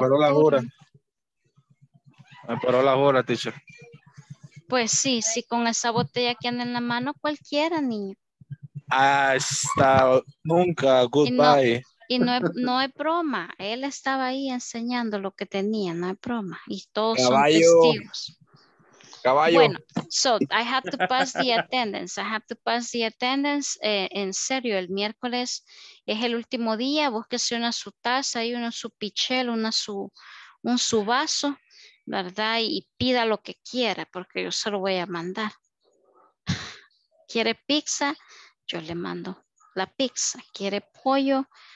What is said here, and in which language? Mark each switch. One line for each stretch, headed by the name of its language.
Spanish: Me paró las horas, teacher. Pues sí, sí, con esa botella que anda en la mano, cualquiera, niño. Hasta nunca, goodbye. Y no es broma, él estaba ahí enseñando lo que tenía, no es broma. Y todos caballo, son testigos. Caballo.
English: Bueno, so I have to pass the attendance. I have to pass the attendance.
Spanish: En serio, el miércoles es el último día. Búsquese una su taza y una su pichel, una su, un su vaso, ¿verdad? Y pida lo que quiera, porque yo se lo voy a mandar. ¿Quiere pizza? Yo le mando la pizza. ¿Quiere pollo?